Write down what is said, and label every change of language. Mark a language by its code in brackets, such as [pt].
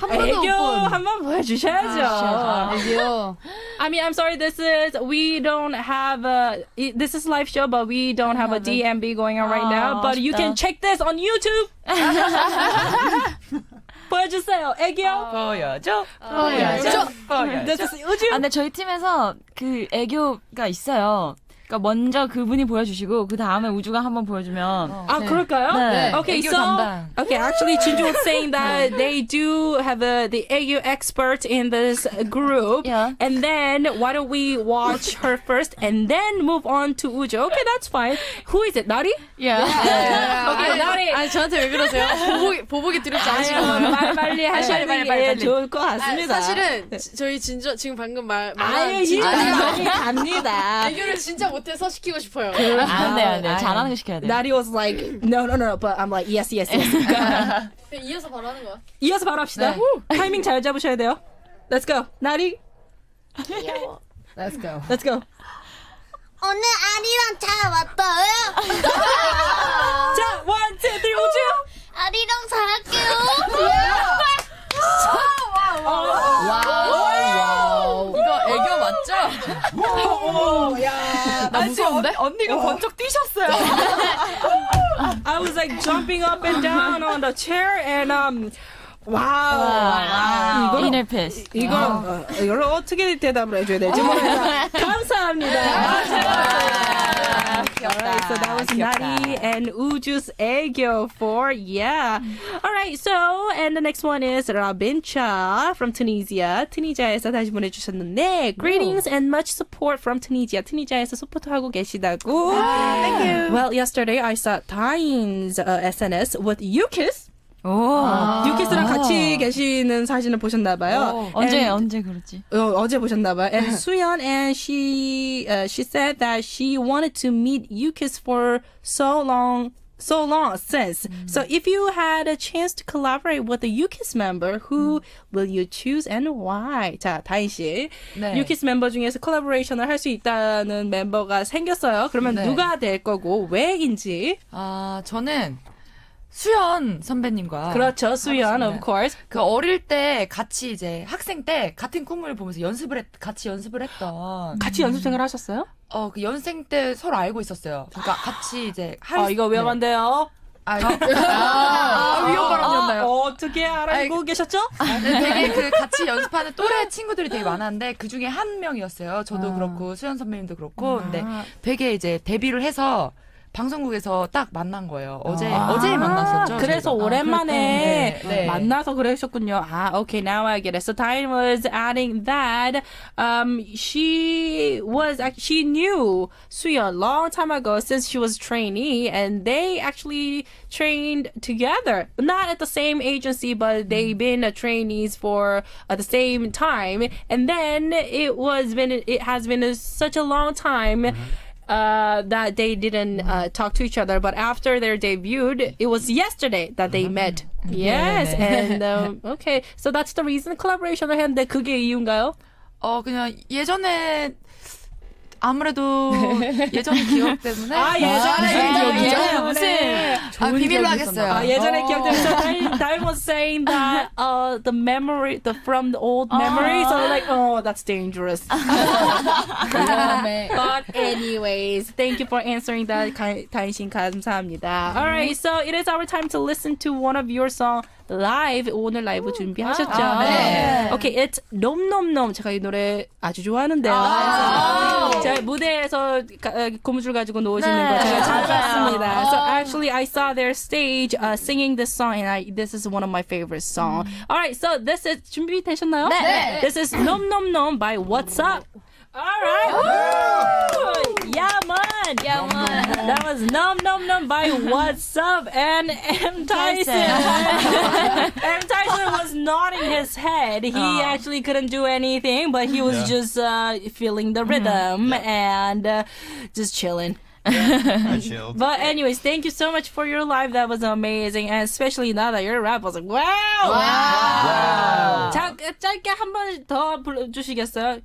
[ko] 애교 한번 보여주셔야죠. 애교. [en] I mean, I'm sorry, this is live show, but we don't have a DMB going on right now, but you can check this on YouTube. [ko] 보여주세요, 애교. 보여줘. 보여줘. 보여줘. 우주. 근데 저희 팀에서 그 애교가 있어요. 그러니까 먼저 그분이 보여주시고, 그 다음에 우주가 한번 보여주면. 아, 그럴까요? 네. 오케이, 애교 담당. [en] Okay, actually, Jinju was saying that they do have the 애교 expert in this group. Yeah. And then, why don't we watch her first and then move on to 우주? Okay, that's fine. Who is it? Nari? Yeah. Okay, Nari. [ko] 아니, 저한테 왜 그러세요? 보복이 두렵지 않으시고. 빨리 하셔야 되는 게 좋을 것 같습니다. 사실은, 저희 진주, 지금 방금 말, 아니, 갑니다. 애교를 진짜 못해서 시키고 싶어요. 안 돼. 잘하는 거 시켜야 돼. [en] Nari was like, no, but I'm like, yes. [ko] 이어서 바로 하는 거야. 이어서 바로 합시다. 타이밍 잘 잡으셔야 돼요. [en] Let's go. Nari. Let's go. Let's go. [ko] 오늘 아리랑 잘 왔어요. 자, 1, 2, 3, 오지요. 아리랑 잘할게요. 와우. 이거 애교 맞죠? 나 무서운데? 언니가 번쩍 뛰셨어요. [en] I was like jumping up and down on the chair and 와우. [ko] 이너 패스. 이거 이걸 어떻게 대답을 해 줘야 될지 모르겠다. 감사합니다. 감사합니다. [en] So that was Nari and Uju's 애교 for yeah. All right. So and the next one is Rabincha from Tunisia. [ko] Tunisia에서 다시 보내 주셨는데 [en] greetings and much support from Tunisia. [ko] Tunisia에서 소프트하고 계시다고. [en] Thank you. Well, yesterday I saw Tyne's SNS with Yukis. [ko] 오, 유키스랑 같이 계시는 사진을 보셨나봐요. 언제 그러지? 어제 보셨나봐요. [en] And Suyeon and she said that she wanted to meet Yukis for so long since. So if you had a chance to collaborate with a Yukis member, who will you choose and why? [ko] 자, 다인 씨, 유키스 멤버 중에서 콜라보레이션을 할 수 있다는 멤버가 생겼어요. 그러면 누가 될 거고 왜인지? 아, 저는 수연 선배님과. 그렇죠, 수연, [en] of course. [ko] 그 어릴 때 같이 이제 학생 때 같은 꿈을 보면서 같이 연습을 했던. 같이 연습생을 하셨어요? 그 연생 때 서로 알고 있었어요. 그러니까 같이 이제 할 이거 위험한데요? 위험하라는데요? 어떻게 알고 계셨죠? 되게 그 같이 연습하는 또래 친구들이 되게 많았는데 그 중에 한 명이었어요. 저도 그렇고 수연 선배님도 그렇고. 근데 되게 이제 데뷔를 해서 방송국에서 딱 만난 거예요. 어제 만났었죠. 그래서 제가. 오랜만에 만나서 그러셨군요. [en] 아, okay, now I get it. So Tyne was adding that she knew Suyeon long time ago since she was trainee, and they actually trained together, not at the same agency, but they've been trainees for the same time. And then it has been such a long time. Mm-hmm. That they didn't talk to each other, but after their debut, it was yesterday that they met. Yes, and okay, so that's the reason [ko] collaboration을 했는데 그게 이유인가요? 그냥 예전에 아무래도 예전의 기억 때문에. 아, 예전의 기억 때문에. 무슨? 아, 비밀로 하겠어요. 아, 예전의 기억 때문에. [en] Time was saying that the memory, the from the old memory. So like, oh, that's dangerous. But anyways, thank you for answering that. [ko] 다인신 감사합니다. [en] All right, so it is our time to listen to one of your songs. [ko] Live 오늘 라이브 준비하셨죠? 아, 네. [en] Okay, it's 놈놈놈. [ko] 제가 이 노래 아주 좋아하는데요. 제가 무대에서 고무줄 가지고 놓으시는 거 제가 잘 봤습니다. [en] So actually, I saw their stage singing this song, and this is one of my favorite songs. All right, so this is 준비되셨나요? [ko] 네. [en] This is 놈놈놈 by WASSUP. All right. Yaman. That was Nom Nom Nom by WASSUP and M.Tyson. M.Tyson was nodding his head. He actually couldn't do anything, but he was just feeling the rhythm and just chilling. Yeah, but anyways, thank you so much for your live. That was amazing. And especially now that your rap was like, wow! Wow! [ko] 짧게 한 번 더 불러주시겠어요?